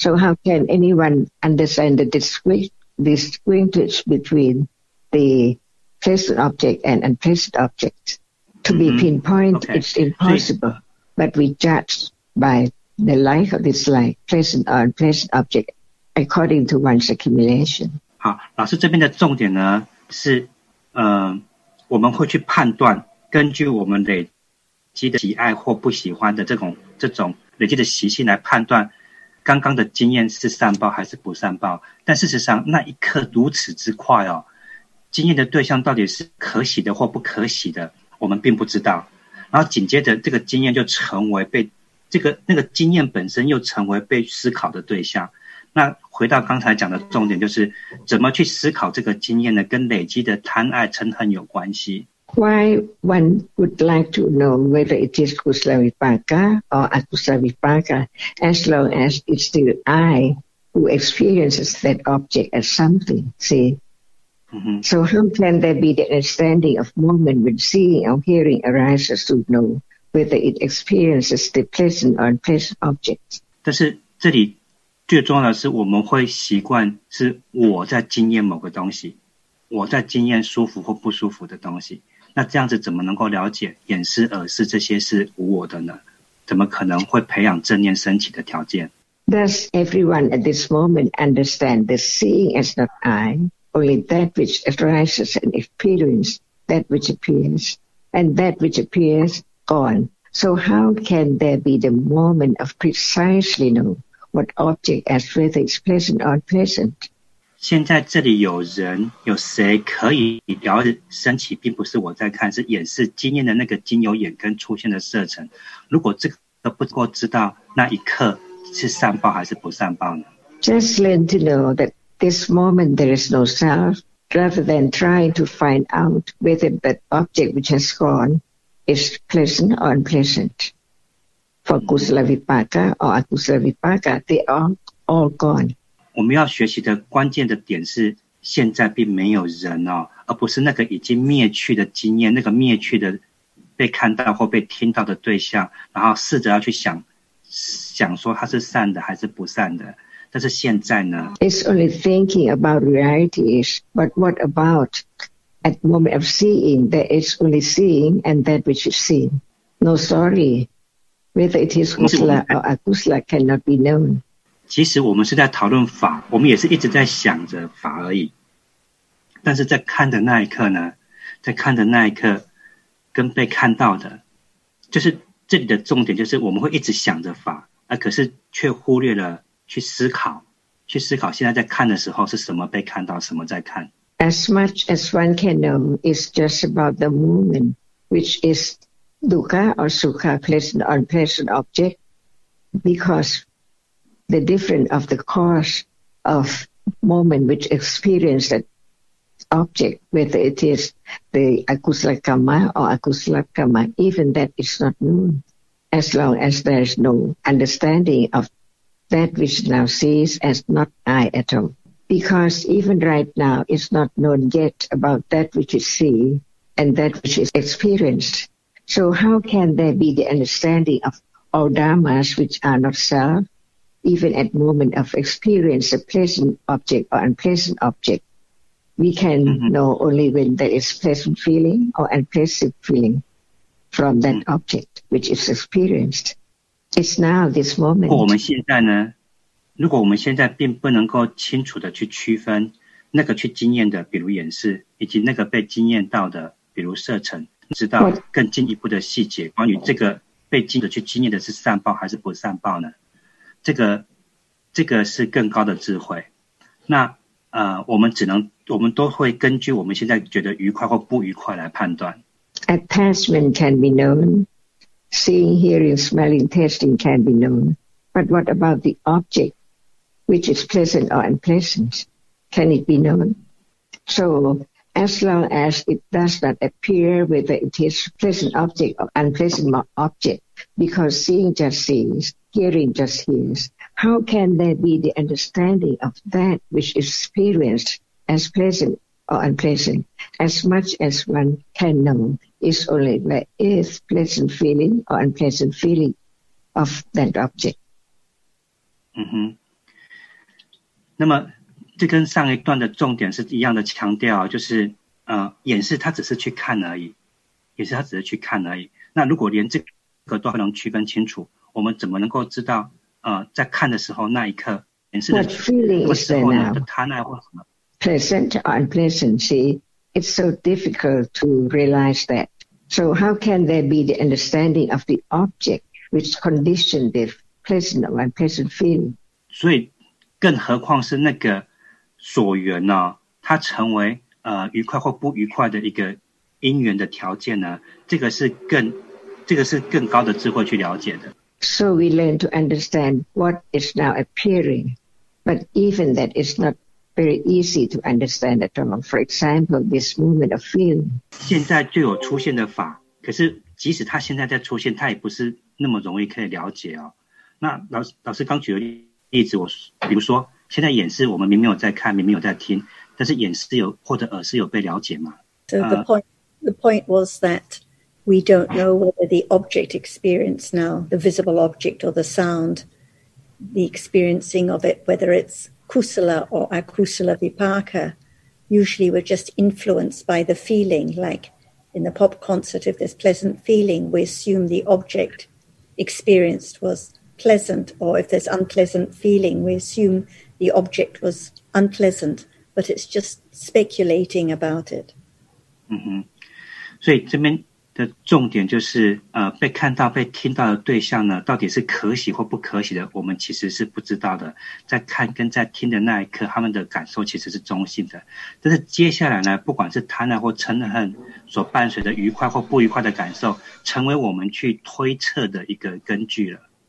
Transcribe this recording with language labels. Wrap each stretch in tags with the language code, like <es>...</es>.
<en>So how can anyone understand the distinguish between the pleasant object and unpleasant object? To be pinpointed, it's impossible. But we judge by the like or dislike, pleasant or unpleasant object, according to one's accumulation.</en> <zh>好，老师这边的重点呢是，我们会去判断，根据我们累积的喜爱或不喜欢的这种累积的习性来判断，刚刚的经验是善报还是不善报。但事实上，那一刻如此之快哦，经验的对象到底是可喜的或不可喜的，我们并不知道。然后紧接着，这个经验就成为被那个经验本身又成为被思考的对象。那回到刚才讲的重点，就是怎么去思考这个经验呢？跟累积的贪爱嗔恨有关系。</zh> <en>Why one would like to know whether it is kusala vipaka or akusala vipaka, as long as it's the I who experiences that object as something, see? So how can there be the understanding of moment when seeing or hearing arises to know whether it experiences the pleasant or unpleasant object?</en> <zh>但是这里最重要的是，我们会习惯是我在经验某个东西，我在经验舒服或不舒服的东西。那这样子怎么能够了解眼识、耳识这些是无我的呢？怎么可能会培养正念升起的条件</zh> <en>？Does everyone at this moment understand the seeing as not I, only that which arises and experience, that which appears, and that which appears gone? So how can there be the moment of precisely know? What object as whether it's pleasant or unpleasant?</en> <zh>现在这里有人有谁可以了解升起并不是我在看，是眼识经验的那个经由眼根出现的色尘。如果这个不够知道那一刻是善报还是不善报呢？</zh> <en>Just learn to know that this moment there is no self, rather than trying to find out whether that object which has gone is pleasant or unpleasant. For kusala vipaka or akusala vipaka, they are all gone.</en> <zh>我们要学习的关键的点是，现在并没有人哦，而不是那个已经灭去的经验，那个灭去的被看到或被听到的对象，然后试着要去想说它是善的还是不善的。但是现在呢</zh> <en>？It's only thinking about realities, but what about at moment of seeing? There is only seeing and that which is seen. No, sorry. Whether it is kusala or akusala cannot be known.</en> <zh>其实我们是在讨论法，我们也是一直在想着法而已。但是在看的那一刻呢，在看的那一刻，跟被看到的，就是这里的重点，就是我们会一直想着法，可是却忽略了去思考现在在看的时候是什么被看到，什么在看。</zh> <en>As much as one can know is just about the moment, which is. Dukkha or sukha, pleasant or unpleasant object, because the difference of the cause of moment which experienced that object, whether it is the akusala kamma or akusala kamma, even that is not known, as long as there is no understanding of that which now sees as not I at all. Because even right now, it's not known yet about that which is seen and that which is experienced. So how can there be the understanding of all dharmas which are not self, even at moment of experience, a pleasant object or unpleasant object? We can know only when there is pleasant feeling or unpleasant feeling from that object which is experienced. It's now this moment.</en> <zh>我们现在呢，如果我们现在并不能够清楚的去区分那个去经验的比如眼识，以及那个被经验到的比如色尘，知道更进一步的细节关于这个被经的去经验的是善报还是不善报呢，这个是更高的智慧。那我们都会根据我们现在觉得愉快或不愉快来判断。</zh> <en>Attachment can be known. Seeing, hearing, smelling, tasting can be known. But what about the object, which is pleasant or unpleasant? Can it be known? So, as long as it does not appear whether it is pleasant object or unpleasant object, because seeing just sees, hearing just hears, how can there be the understanding of that which is experienced as pleasant or unpleasant? As much as one can know, is only there is pleasant feeling or unpleasant feeling of that object.</en> <zh>嗯哼，那么这跟上一段的重点是一样的强调，就是眼识它只是去看而已，眼识它只是去看而已。那如果连这个都不能区分清楚，我们怎么能够知道在看的时候那一刻眼识的那时候的贪爱或什么</zh> <en>pleasant or unpleasant? See, it's so difficult to realize that. So how can there be the understanding of the object which conditioned the pleasant or unpleasant feeling?</en> <zh>所以更何况是那个所缘呢，它成为愉快或不愉快的一个因缘的条件呢，这个是更高的智慧去了解的。</zh> <en>So we learn to understand what is now appearing, but even that is not very easy to understand at all. For example, this moment of feeling.</en> <zh>现在就有出现的法，可是即使它现在在出现，它也不是那么容易可以了解哦。那老师刚举的例子，我比如说。现在眼识我们明明有在看，明明有在听，但是眼识有或者耳识有被了解吗？</zh> <en>So the point was that we don't know whether the object experience now, the visible object or the sound, the experiencing of it, whether it's kusala or akusala vipaka. Usually we're just influenced by the feeling, like in the pop concert, if there's pleasant feeling, we assume the object experienced was pleasant, or if there's unpleasant feeling, we assume the object was unpleasant, but it's just speculating about it.</en> <zh>嗯哼，所以这边的重点就是，被看到、被听到的对象呢，到底是可喜或不可喜的，我们其实是不知道的。在看跟在听的那一刻，他们的感受其实是中性的。但是接下来呢，不管是贪婪或嗔恨所伴随的愉快或不愉快的感受，成为我们去推测的一个根据了。</zh>